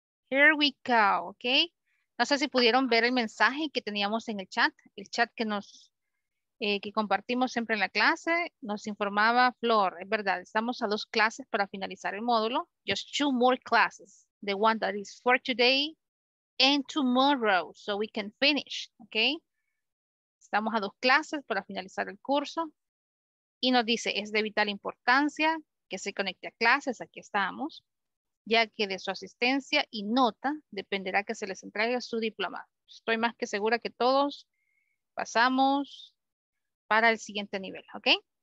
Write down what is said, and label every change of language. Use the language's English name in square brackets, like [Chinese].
[English] Here we go, okay? [Spanish] No sé si pudieron ver el mensaje que teníamos en el chat que nos, que compartimos siempre en la clase, nos informaba Flor, es verdad, estamos a 2 clases para finalizar el módulo. [English] Just 2 more classes, the one that is for today, and tomorrow, so we can finish, okay? [Spanish] Estamos a 2 clases para finalizar el curso. Y nos dice, es de vital importancia que se conecte a clases, aquí estamos, ya que de su asistencia y nota dependerá que se les entregue su diploma. Estoy más que segura que todos pasamos para el siguiente nivel, okay?